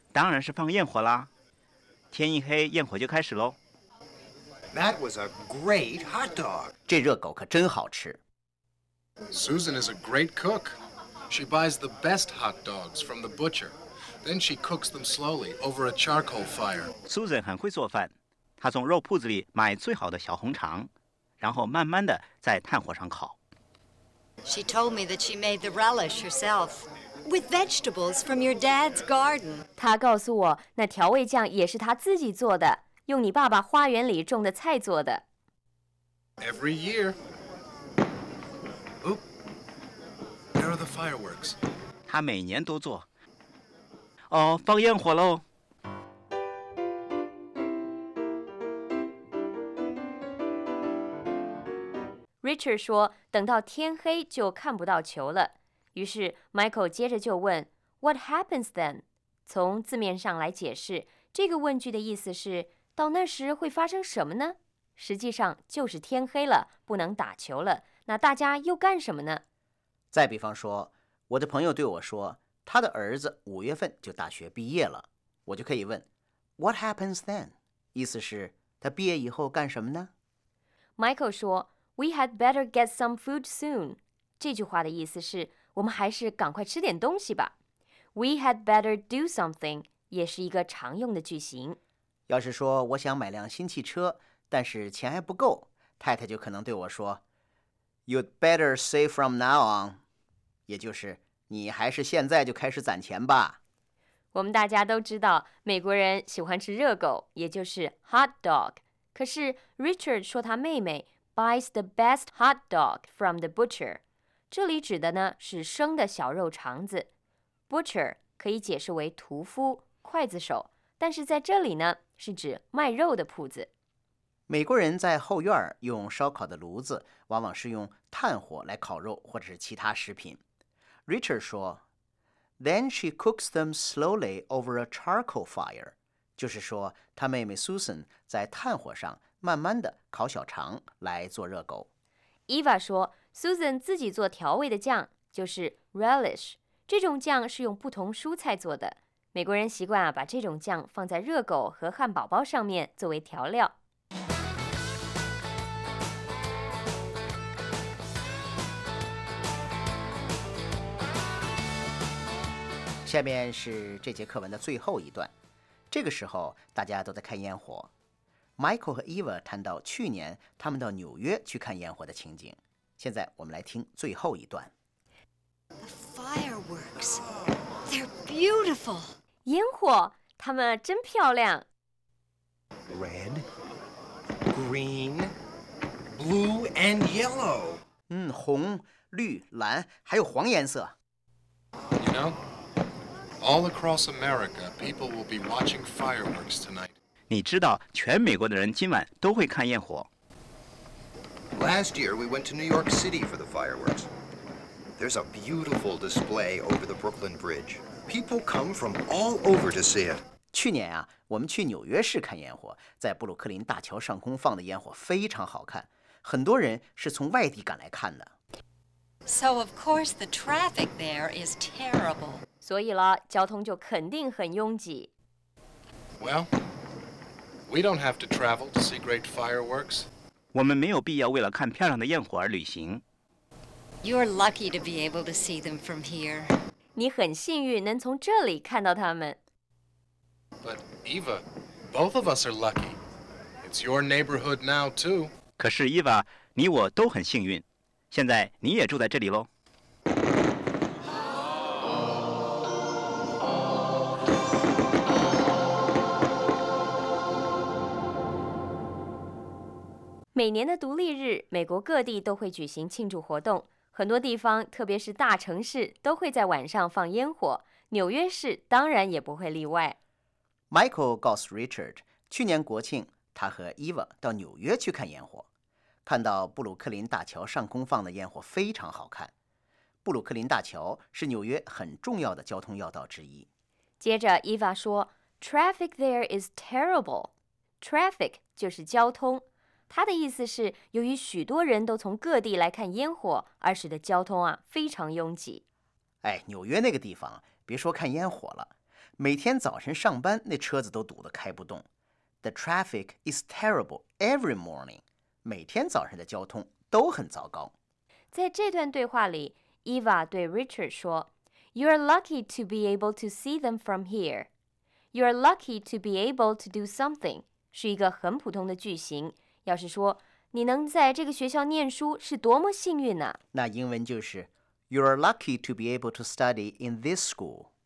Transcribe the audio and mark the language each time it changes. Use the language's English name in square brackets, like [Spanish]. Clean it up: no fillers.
[Chinese] 当然是放焰火啦。天一黑，焰火就开始喽。 [English] That was a great hot dog. [Chinese] 这热狗可真好吃。 [English] Susan is a great cook. She buys the best hot dogs from the butcher. Then she cooks them slowly over a charcoal fire. [Chinese] Susan 很会做饭，她从肉铺子里买最好的小红肠，然后慢慢的在炭火上烤。 [English] She told me that she made the relish herself. With vegetables from your dad's garden. [Chinese] 他告诉我，那调味酱也是他自己做的，用你爸爸花园里种的菜做的。 [English] Every year. Oop. are the fireworks? [Chinese] 他每年都做。哦，放焰火喽。 Richard 说，等到天黑就看不到球了。于是 Michael 接着就问 [English] What happens then? [Chinese] 从字面上来解释，这个问句的意思是，到那时会发生什么呢？实际上就是天黑了，不能打球了，那大家又干什么呢？再比方说，我的朋友对我说，他的儿子五月份就大学毕业了，我就可以问 [English] What happens then? [Chinese] 意思是，他毕业以后干什么呢？ [English] Michael 说，We had better get some food soon. [Chinese] 这句话的意思是，我们还是赶快吃点东西吧。 [English] We had better do something [Chinese] 也是一个常用的句型。要是说我想买辆新汽车，但是钱还不够，太太就可能对我说 [English] You'd better save from now on. [Chinese] 也就是你还是现在就开始攒钱吧。我们大家都知道，美国人喜欢吃热狗，也就是 hot dog. 可是 [English] Richard [Chinese] 说他妹妹 [English] buys the best hot dog from the butcher. [Chinese] 这里指的呢是生的小肉肠子。Butcher 可以解释为屠夫、刽子手，但是在这里呢是指卖肉的铺子。美国人在后院用烧烤的炉子往往是用炭火来烤肉或者是其他食品。 [English] Richard 说 Then she cooks them slowly over a charcoal fire. [Chinese] 就是说他妹妹 Susan 在炭火上慢慢的烤小肠来做热狗。 Eva 说 ,Susan 自己做调味的酱就是 relish, 这种酱是用不同蔬菜做的。美国人习惯、把这种酱放在热狗和汉堡包上面作为调料。下面是这节课文的最后一段。这个时候大家都在看烟火。 Michael 和 Eva 谈到去年他们到纽约去看烟火的情景。现在我们来听最后一段。 [English] The fireworks, they're beautiful. [Chinese] 烟火，它们真漂亮。 [English] Red, green, blue and yellow. [Chinese] 红、绿、蓝，还有黄颜色。 [English] You know, all across America, people will be watching fireworks tonight. [Chinese] 你知道全美国的人今晚都会看焰火。 [English] Last year we went to New York City for the fireworks. There's a beautiful display over the Brooklyn Bridge. People come from all over to see it. [Chinese] 去年啊，我们去纽约市看烟火，在布鲁克林大桥上空放的烟火非常好看，很多人是从外地赶来看的。 [English] So of course the traffic there is terrible. [Chinese] 所以啦，交通就肯定很拥挤。 [English] Well. We don't have to travel to see great fireworks. [Chinese] 我们没有必要为了看漂亮的焰火而旅行。 [English] You're lucky to be able to see them from here. [Chinese] 你很幸运能从这里看到它们。 [English] But Eva, both of us are lucky. It's your neighborhood now too. [Chinese] 可是 Eva, 你我都很幸运。现在你也住在这里咯。每年的独立日，美国各地都会举行庆祝活动，很多地方，特别是大城市，都会在晚上放烟火，纽约市当然也不会例外。 Michael 告诉 Richard， 去年国庆，他和 Eva 到纽约去看烟火，看到布鲁克林大桥上空放的烟火非常好看。布鲁克林大桥是纽约很重要的交通要道之一。接着 [English] Eva 说 ，Traffic there is terrible. [Chinese] Traffic 就是交通。他的意思是，由于许多人都从各地来看烟火，而使得交通非常拥挤。哎，纽约那个地方，别说看烟火了，每天早晨上班那车子都堵得开不动。 [English] The traffic is terrible every morning. [Chinese] 每天早上的交通都很糟糕。在这段对话里 [English] ，Eva 对 Richard 说 ：“You're lucky to be able to see them from here. You're lucky to be able to do something [Chinese] 是一个很普通的句型。” 要是说你能在这个学校念书是多么幸运呢、那英文就是 [English] You're lucky to be able to study in this school.